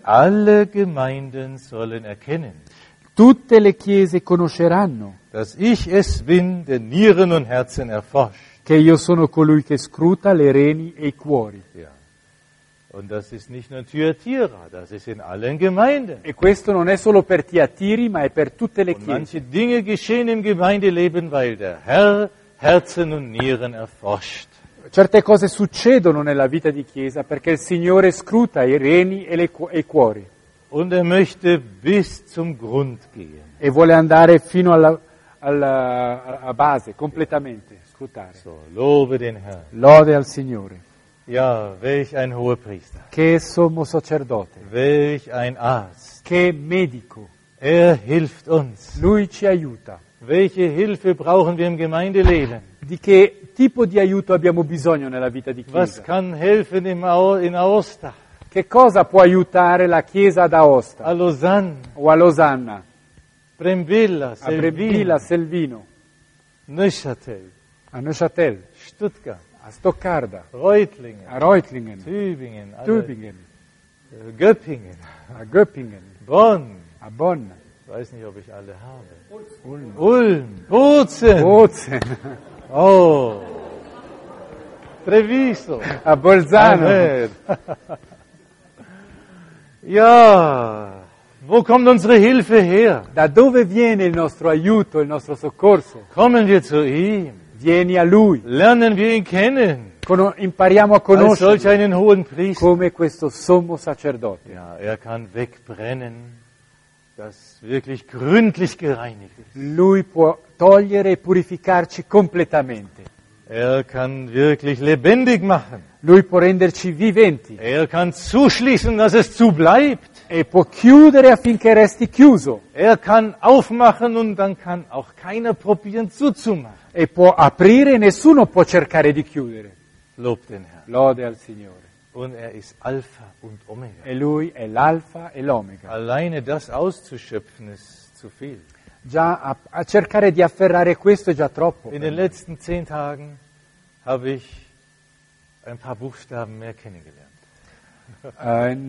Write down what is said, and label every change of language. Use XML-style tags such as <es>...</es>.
<de>Alle Gemeinden sollen erkennen.</de> <it>Tutte le chiese conosceranno.</it> <de>Dass ich es bin, der Nieren und Herzen erforscht.</de> <it>Che io sono colui che scruta le reni e i cuori. Ja.</it> <de>Und das ist nicht nur Thyatira, das ist in allen Gemeinden.</de> <it>E questo non è solo per Thyatira, ma è per tutte le chiese.</it> <de>Und manche Dinge geschehen im Gemeindeleben, weil der Herr Herzen und Nieren erforscht.</de> <it>Certe cose succedono nella vita di chiesa perché il Signore scruta i reni e i cuori.</it> <de>Und er möchte bis zum Grund gehen.</de> <it>E vuole andare fino alla base, completamente, scrutare.</it> <de>So, lobe den Herrn.</de> <it>Lode al Signore.</it> <de>Ja, welch ein hoher Priester.</de> <it>Che sommo sacerdote.</it> <de>Welch ein Arzt.</de> <it>Che medico.</it> <de>Er hilft uns.</de> <it>Lui ci aiuta.</it> <de>Welche Hilfe brauchen wir im Gemeindeleben?</de> <it>Di che tipo di aiuto abbiamo bisogno nella vita di chiesa?</it> <de>Was kann helfen in Aosta?</de> <it>Che cosa può aiutare la chiesa ad Aosta? A Losanna. O a Losanna. Brembilla, Selvino. Selvino. Neuchâtel. A Neuchâtel.</it> <de>Stuttgart.</de> <it>A Stoccarda.</it> <de>Reutlingen.</de> <it>A Reutlingen.</it> <de>Tübingen.</de> <it>Tübingen.</it> <de>Göppingen.</de> <it>A Göppingen.</it> <de>Bonn.</de> <it>A Bonn.</it> <de>Ich weiß nicht, ob ich alle habe. Ulm. Ulm. Bozen. Bozen.</de> <it>Oh. Treviso. A Bolzano. Amen.</it> <de>Ja, wo kommt unsere Hilfe her?</de> <it>Da dove viene il nostro aiuto, il nostro soccorso?</it> <de>Kommen wir zu ihm.</de> <it>Vieni a lui.</it> <de>Lernen wir ihn kennen.</de> <it>Impariamo a conoscere.</it> <de>Als solch einen hohen Priester.</de> <it>Come questo sommo sacerdote.</it> <de>Ja, er kann wegbrennen, das wirklich gründlich gereinigt ist.</de> <it>Lui può togliere e purificarci completamente.</it> <de>Er kann wirklich lebendig machen.</de> <it>Lui può renderci viventi.</it> <de>Er kann zuschließen, dass es zu bleibt.</de> <it>E può chiudere affinché resti chiuso.</it> <de>Er kann aufmachen und dann kann auch keiner probieren zuzumachen.</de> <it>E può aprire e nessuno può cercare di chiudere.</it> <de>Lob den Herrn.</de> <it>Lode al Signore.</it> <de>Und er ist Alpha und Omega.</de> <it>E lui è l'Alfa e l'Omega.</it> <de>Alleine das auszuschöpfen ist zu viel.</de> <it>Già a cercare di afferrare questo è già troppo.</it> <de>In den letzten 10 Tagen habe ich ein paar Buchstaben mehr kennengelernt.</de>